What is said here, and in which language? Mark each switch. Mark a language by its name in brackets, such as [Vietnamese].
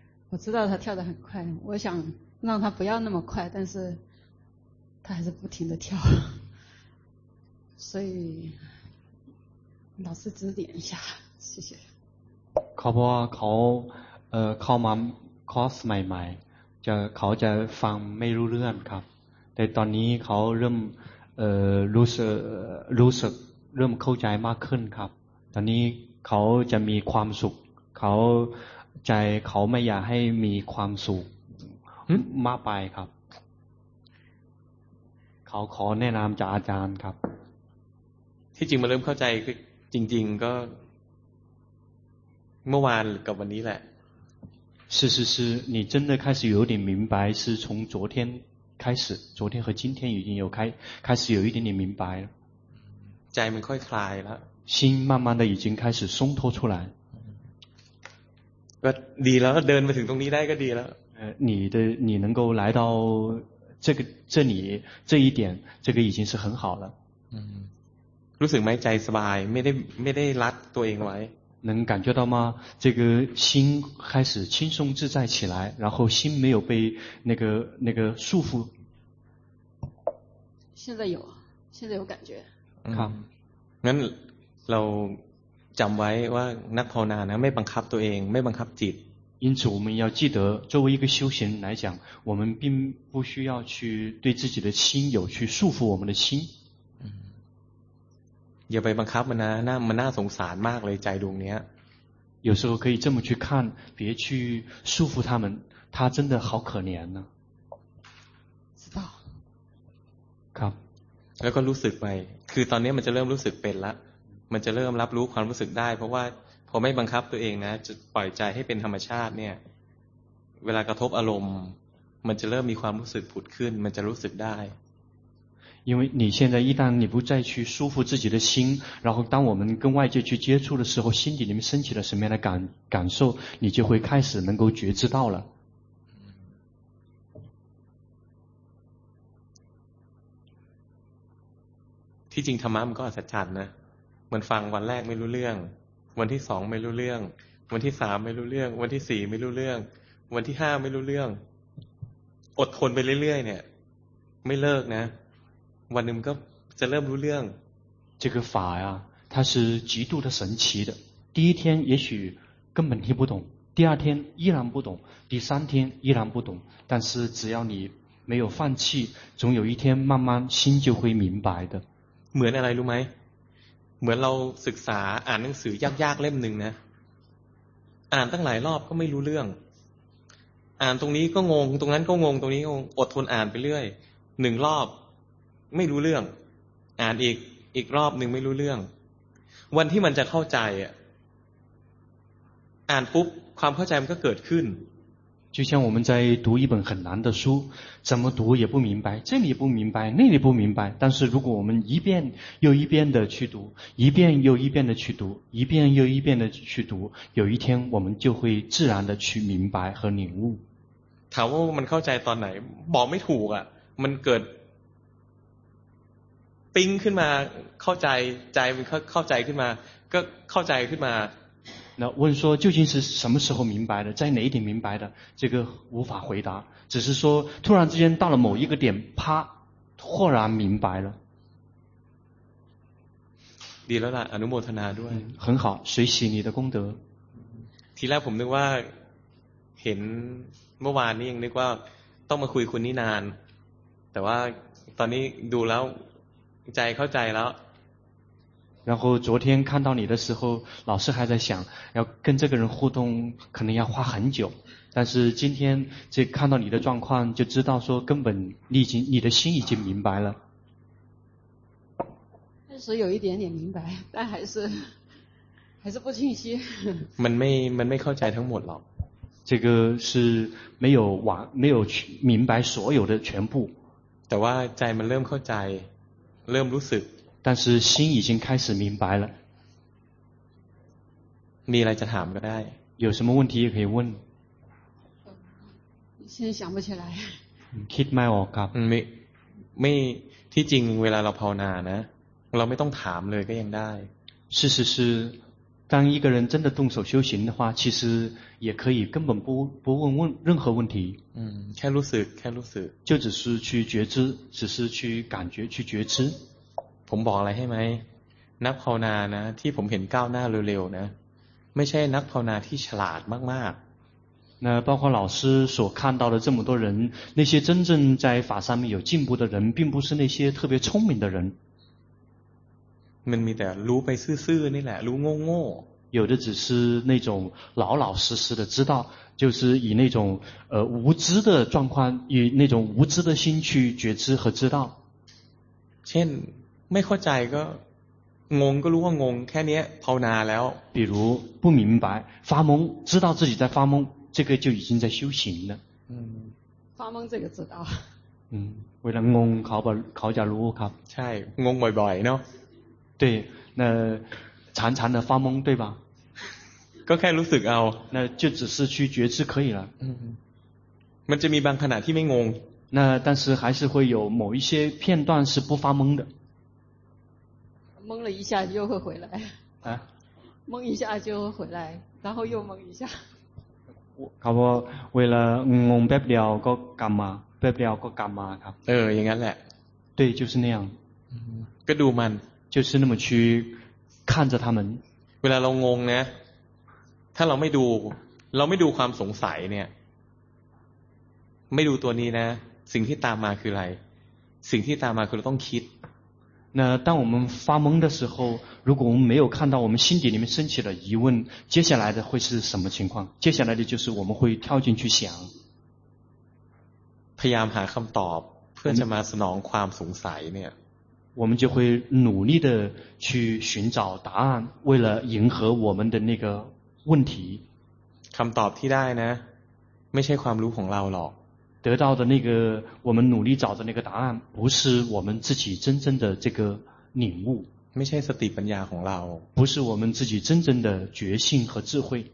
[Chinese] 我知道他跳得很快我想让他不要那么快但是他还是不停地跳所以老师指点一下谢谢 [Thai] เขาเพราะว่าเขาเข้ามาคอร์สใหม่ๆจะเขาจะฟังไม่รู้เรื่องครับแต่ตอนนี้เขาเริ่มรู้สึกเริ่มเข้าใจมากขึ้นครับตอนนี้เขาจะมีความสุขเขาใจเขาไม่อยากให้มีความสุขมากไปครับเขาขอแนะนำจากอาจารย์ครับ ที่จริงมาเริ่มเข้าใจจริงๆก็เมื่อวานกับวันนี้แหละ [Chinese] 是是是你真的开始有点明白是从昨天开始昨天和今天已经有开始有一点点明白了 [Thai] ใจมันค่อยคลายแล้ว [Chinese] 心慢慢的已经开始松脱出来 [Thai] ก็ดีแล้วเดินมาถึงตรงนี้ได้ก็ดีแล้ว [Chinese] 你能够来到这里这一点这个已经是很好了 [Thai] รู้สึกไหมใจสบายไม่ได้รัดตัวเองไว้ [Chinese] 能感觉到吗？这个心开始轻松自在起来，然后心没有被那个束缚。现在有感觉。好， [Thai] 那เราจำไว้ว่านักภาวนานะไม่บังคับตัวเองไม่บังคับจิต。 [Chinese] 因此我们要记得，作为一个修行人来讲，我们并不需要去对自己的心有去束缚我们的心。 [Thai] อย่าไปบังคับมันนะน่ามันน่าสงสารมากเลยใจดวงเนี้ย [Chinese] 有时候可以这么去看别去束缚他们他真的好可怜呢知道 [Thai] ครับ แล้วก็รู้สึกไปคือตอนนี้มันจะเริ่มรู้สึกเป็นละมันจะเริ่มรับรู้ความรู้สึกได้เพราะว่าพอไม่บังคับตัวเองนะจะปล่อยใจให้เป็นธรรมชาติเนี่ยเวลากระทบอารมณ์มันจะเริ่มมีความรู้สึกผุดขึ้นมันจะรู้สึกได้ [Chinese] 因为你现在一旦你不再去束缚自己的心，然后当我们跟外界去接触的时候，心底里面升起了什么样的感受，你就会开始能够觉知到了。 [Thai] ที่จริงธรรมะมันก็อัศจรรย์นะมันฟังวันแรกไม่รู้เรื่องวันที่สองไม่รู้เรื่องวันที่สามไม่รู้เรื่องวันที่สี่ไม่รู้เรื่องวันที่ห้าไม่รู้เรื่องอดทนไปเรื่อยๆเนี่ยไม่เลิกนะวันหนึ่งก็จะเริ่มรู้เรื่อง [Chinese] 这个法呀它是极度的神奇的第一天也许根本听不懂第二天依然不懂第三天依然不懂但是只要你没有放弃总有一天慢慢心就会明白的 [Thai] เหมือนอะไรรู้ไหมเหมือนเราศึกษาอ่านหนังสือยากๆเล่มหนึ่งนะอ่านตั้งหลายรอบก็ไม่รู้เรื่องอ่านตรงนี้ก็งงตรงนั้นก็งงตรงนี้งงอดทนอ่านไปเรื่อยหนึ่งรอบไม่รู้เรื่องอ่านอีกรอบหนึ่งไม่รู้เรื่องวันที่มันจะเข้าใจอ่านปุ๊บความเข้าใจมันก็เกิดขึ้น [Chinese] 就像我们在读一本很难的书怎么读也不明白这里不明白那里不明白但是如果我们一遍又一遍的去读一遍又一遍的去读一遍又一遍的去读有一天我们就会自然的去明白和领悟 [Thai] ถามว่ามันเข้าใจตอนไหนบอกไม่ถูกอ่ะมันเกิดปิ้งขึ้นมาเข้าใจใจมันเข้าใจขึ้นมาก็เข้าใจขึ้นมา [Chinese] 那问说究竟是什么时候明白的在哪一点明白的这个无法回答只是说突然之间到了某一个点啪豁然明白了 [Thai] ดีแล้วล่ะอนุโมทนาด้วย [Chinese] 很好随喜你的功德 [Thai] ทีแรกผมนึกว่าเห็นเมื่อวานนี้ยังนึกว่าต้องมาคุยคุณนี่นานแต่ว่าตอนนี้ดูแล้วใจเข้าใจแล้ว [Chinese] 然后昨天看到你的时候老师还在想要跟这个人互动可能要花很久但是今天这看到你的状况就知道说根本你的心已经明白了确实有一点点明白但还是不清晰 [Thai] มันไม่เข้าใจทั้งหมดหรอก [Chinese] 这个是没有明白所有的全部 [Thai] แต่ว่าใจมันเริ่มเข้าใจเริ่มรู้สึก [Chinese] 但是心已经开始明白了 [Thai] มีอะไรจะถามก็ได้ [Chinese] 有什么问题也可以问现在想不起来 [Thai] คิดไม่ออกครับ ไม่ที่จริงเวลาเราภาวนานะเราไม่ต้องถามเลยก็ยังได้ [Chinese] 是当一个人真的动手修行的话其实也可以根本不问问任何问题 [Thai] แค่รู้สึก [Chinese] 就只是去觉知只是去感觉去觉知 [Thai] ผมบอกอะไรให้ไหมนักภาวนานะที่ผมเห็นก้าวหน้าเร็วๆนะ ใช่นักภาวนาที่ฉลาดมาก [Chinese] ๆ那包括老师所看到的这么多人那些真正在法上面有进步的人并不是那些特别聪明的人 [Thai] มันมีแต่รู้ไปซื่อๆนี่แหละรู้โง่ [Chinese] ๆ有的只是那种老老实实的知道就是以那种无知的状况以那种无知的心去觉知和知道 [Thai] เช่นไม่เข้าใจก็งงก็รู้ว่างงแค่นี้ภาวนาแล้ว [Chinese] 比如不明白发懵知道自己在发懵这个就已经在修行了发懵这个知道为了 [Thai] งงเขาบอกเขาจะรู้ครับ ใช่งงบ่อยๆเนาะ [Chinese] 对那常常的发懵对吧 [Thai] ก็แค่รู้สึกเอา [Chinese] 那就只是去觉知可以了 [Thai] มันจะมีบางขณะที่ไม่งง [Chinese] 那但是还是会有某一些片段是不发懵的懵了一下又会回来啊，懵一下就会回来，然后又懵一下。他说为了懵 [Thai] แป๊บเดียวก็กลับมา แป๊บเดียวก็กลับมาครับ เอออย่างนั้นแหละ [Chinese] 对就是那样 [Thai] ก็ดูมัน [Chinese] 就是那么去看着他们 [Thai] เวลาเรางงนะถ้าเราไม่ดูเราไม่ดูความสงสัยเนี่ยไม่ดูตัวนี้นะสิ่งที่ตามมาคืออะไรสิ่งที่ตามมาคือเราต้องคิด [Chinese] 那当我们发懵的时候，如果我们没有看到我们心底里面升起了疑问，接下来的会是什么情况？接下来的就是我们会跳进去想， [Thai] พยายามหาคำตอบเพื่อจะมาสนองความสงสัยเนี่ย， [Chinese] 我们就会努力的去寻找答案，为了迎合我们的那个问题。 [Thai] คำตอบที่ได้นะ，ไม่ใช่ความรู้ของเราหรอก。 [Chinese] 得到的那个我们努力找的那个答案不是我们自己真正的这个领悟 [Thai] ไม่ใช่สติปัญญาของเรา [Chinese] 不是我们自己真正的觉性和智慧